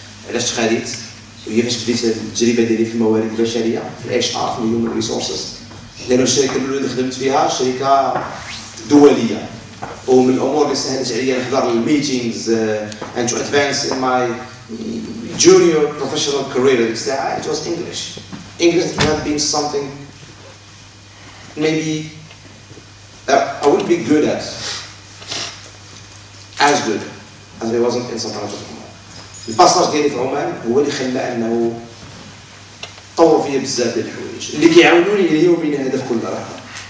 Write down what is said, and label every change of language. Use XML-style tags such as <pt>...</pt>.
<ar>علاش تخاليت وهي فاش بديت التجربة ديالي في الموارد البشرية في الإتش آر في هيومن ريسورسز لأنه الشركة الأولى اللي خدمت فيها شركة دولية ومن الامور اللي سهلت عليا نحضر الميتينغز</ar> <en>and to advance in my junior professional career at the time it was English. English had been something maybe I would be good at as good as it wasn't in سلطنة عمان.</en> <ar>الباساج ديالي في عمان هو اللي خلى انه طور فيا بزاف ديال الحوايج اللي كيعاونوني اليوم من هدف كل راحة.</ar>